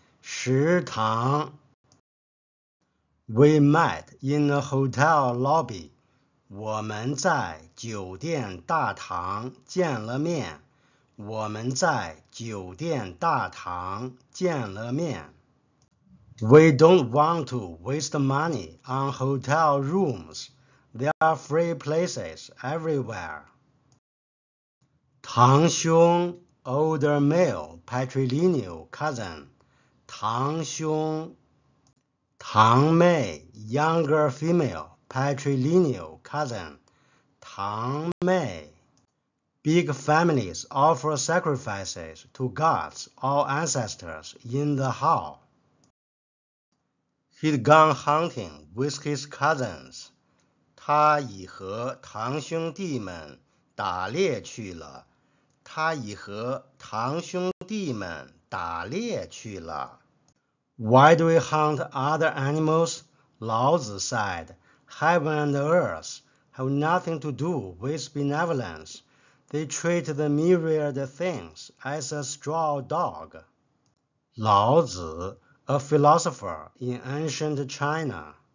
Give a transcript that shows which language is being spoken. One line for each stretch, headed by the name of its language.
English: 食堂。We met in a hotel lobby.
Chinese: 我们在酒店大堂见了面。我们在酒店大堂见了面。
English: We don't want to waste money on hotel rooms. There are free places everywhere. 堂兄 older male patrilineal cousin. 堂兄，堂妹 ，younger female patrilineal cousin， 堂妹。 Big families offer sacrifices to gods or ancestors in the hall. He'd gone hunting with his cousins.
Chinese: 他已和堂兄弟们打猎去了。他已和堂兄弟们打猎去了。
English: Why do we hunt other animals? 老子 said, Heaven and earth have nothing to do with benevolence. They treat the myriad things as a straw dog. 老子, a philosopher in ancient China.